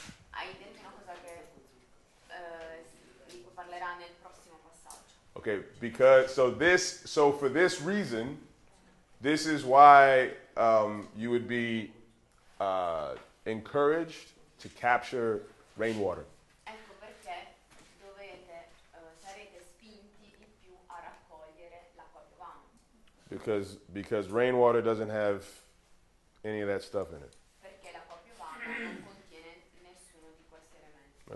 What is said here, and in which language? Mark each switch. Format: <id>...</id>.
<it>Hai detto una cosa che parlerà nel prossimo passaggio.</it> <en>Okay, for this reason, this is why you would be encouraged to capture rainwater.</en> <it>Ecco perché dovete sarete spinti di più a raccogliere l'acqua piovana.</it> <en>Because rainwater doesn't have any of that stuff in it.</en> <it>Perché l'acqua piovana non contiene nessuno di questi elementi.</it>